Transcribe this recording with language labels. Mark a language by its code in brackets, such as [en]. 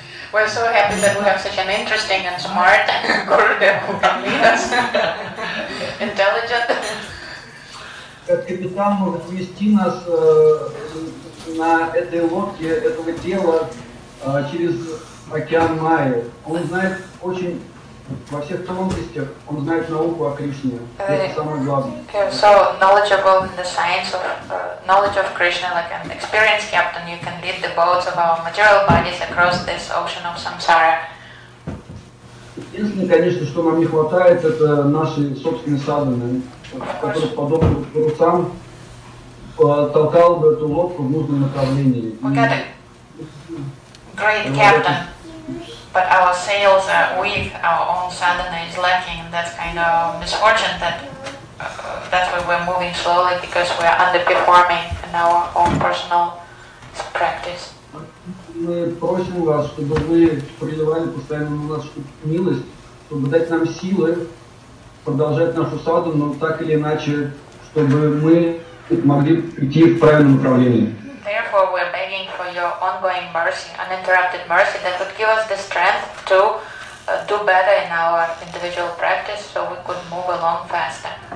[en] We're so happy that we have such an interesting and smart Gurudev who can lead us. Intelligent. [ru] Как капитан может вести нас на этой лодке, этого тела через океан Майи. Он знает очень во всех тонкостях, он знает науку о Кришне. Это самое главное. [en] So knowledgeable in the science of knowledge of Krishna, like an experienced captain, you can lead the boats of our material bodies across this ocean of samsara. [ru] Единственное, конечно, что нам не хватает, это наши собственные саданы, которые подобны парусам. Толкал бы эту лодку в нужном направлении. [en] We got a great captain, but our sails are weak, our own sadhana is lacking, and that's kind of misfortune that we were moving slowly because we are underperforming in our own personal practice. [ru] Мы просим вас, чтобы вы проливали постоянно на нас милость, чтобы дать нам силы продолжать нашу садхану, но так или иначе, чтобы мы могли прийти в правильном направлении. [en] Therefore, we're begging for your ongoing mercy, uninterrupted mercy, that would give us the strength to do better in our individual practice, so we could move along faster.